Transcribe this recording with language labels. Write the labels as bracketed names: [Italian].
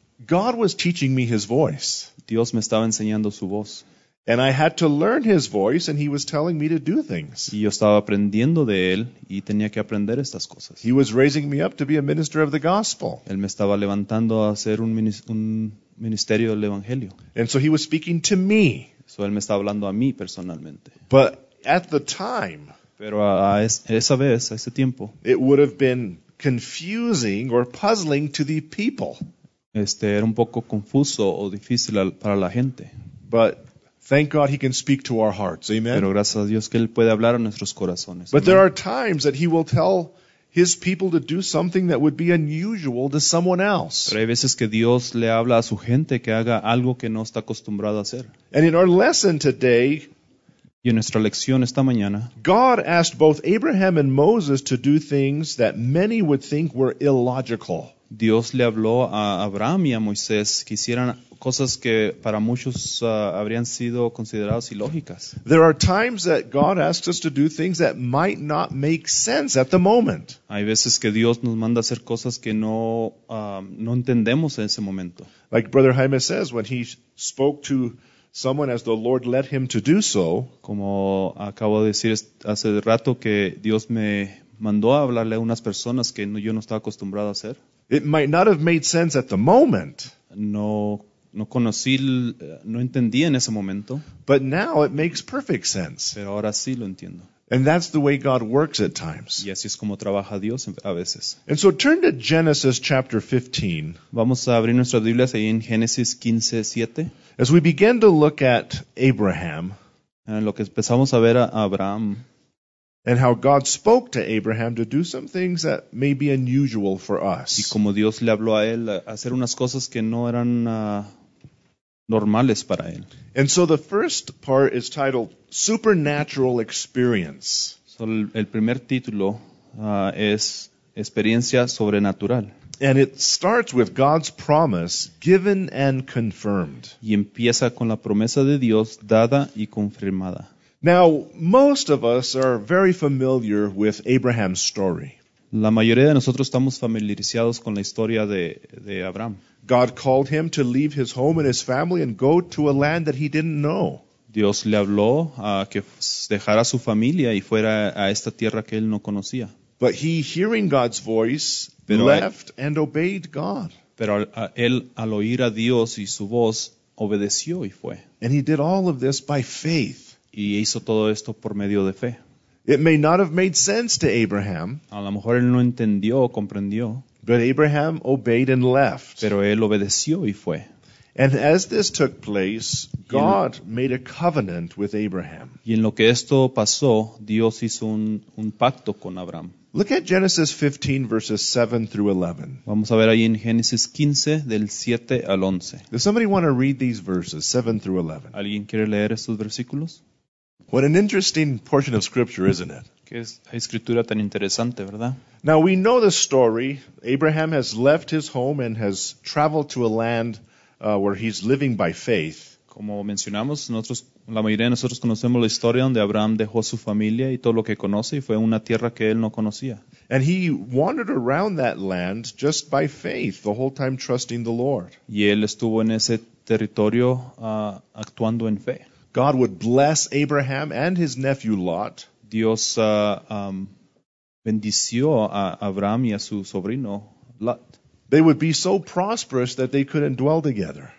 [English] God was teaching me his voice. [Spanish] Dios me estaba enseñando su voz. [English] And I had to learn his voice and he was telling me to do things. [Spanish] Y yo estaba aprendiendo de él y tenía que aprender estas cosas. [English] He was raising me up to be a minister of the gospel. [Spanish] Él me estaba levantando a ser un ministerio del evangelio. [English] And so he was speaking to me. [Spanish] So él me estaba hablando a mí personalmente. [English] But at the time, [Spanish] pero esa vez, a ese tiempo, [English] it would have been confusing or puzzling to the people. [Spanish] Era un poco confuso o difícil para la gente. [English] But thank God he can speak to our hearts. Amen. [Spanish] Pero gracias a Dios que él puede hablar a nuestros corazones. [English] But there are times that he will tell his people to do something that would be unusual to someone else. [Spanish] Pero hay veces que Dios le habla a su gente que haga algo que no está acostumbrado a hacer. [English] And in our lesson today, [Spanish] y en nuestra lección esta mañana, [English] God asked both Abraham and Moses to do things that many would think were illogical. [Spanish] Dios le habló a Abraham y a Moisés que hicieran cosas que para muchos habrían sido consideradas ilógicas. [English] There are times that God asks us to do things that might not make sense at the moment. [Spanish] Hay veces que Dios nos manda hacer cosas que no no entendemos en ese momento. [English] Like Brother Jaime says, when he spoke to someone as the Lord led him to do so. [Spanish] Como acabo de decir hace rato que Dios me mandó a hablarle a unas personas que yo no estaba acostumbrado a hacer. [English] It might not have made sense at the moment. [Spanish] No conocí, no entendí en ese momento. [English] But now it makes perfect sense. [Spanish] Pero ahora sí lo entiendo. [English] And that's the way God works at times. [Spanish] Y así es como trabaja Dios a veces. [English] And so turn to Genesis chapter 15. [Spanish] Vamos a abrir nuestras Biblias ahí en Génesis 15:7. [English] As we begin to look at Abraham, [Spanish] en lo que empezamos a ver a Abraham, [English] and how God spoke to Abraham to do some things that may be unusual for us. [Spanish] Y como Dios le habló a él hacer unas cosas que no eran normales para él. [English] And so the first part is titled Supernatural Experience. [Spanish] So el primer título es Experiencia Sobrenatural. [English] And it starts with God's promise given and confirmed. [Spanish] Y empieza con la promesa de Dios dada y confirmada. [English] Now, most of us are very familiar with Abraham's story. [Spanish] La mayoría de nosotros estamos familiarizados con la historia de Abraham. [English] God called him to leave his home and his family and go to a land that he didn't know. [Spanish] Dios le habló a que dejara su familia y fuera a esta tierra que él no conocía. [English] But he, hearing God's voice, left and obeyed God. [Spanish] Pero él, al oír a Dios y su voz, obedeció y fue. [English] And he did all of this by faith. [Spanish] Y hizo todo esto por medio de fe. [English] It may not have made sense to Abraham. [Spanish] A lo mejor él no entendió o comprendió. [English] But Abraham obeyed and left. [Spanish] Pero él obedeció y fue. [English] And as this took place, God made a covenant with Abraham. [Spanish] Y en lo que esto pasó, Dios hizo un pacto con Abraham. [English] Look at Genesis 15, verses 7 through 11. [Spanish] Vamos a ver ahí en Génesis 15, del 7 al 11. [English] Does somebody want to read these verses, 7 through 11? [Spanish] ¿Alguien quiere leer estos versículos? [English] What an interesting portion of scripture, isn't it? [Spanish] Que es escritura tan interesante, ¿verdad? [English] Now we know the story. Abraham has left his home and has traveled to a land where he's living by faith. [Spanish] Como mencionamos, nosotros, la mayoría de nosotros conocemos la historia donde Abraham dejó su familia y todo lo que conoce y fue a una tierra que él no conocía. [English] And he wandered around that land just by faith, the whole time trusting the Lord. [Spanish] Y él estuvo en ese territorio actuando en fe. [English] God would bless Abraham and his nephew Lot. [Spanish] Dios bendició a Abraham y a su sobrino Lot. [English] They would be so prosperous that they couldn't dwell together.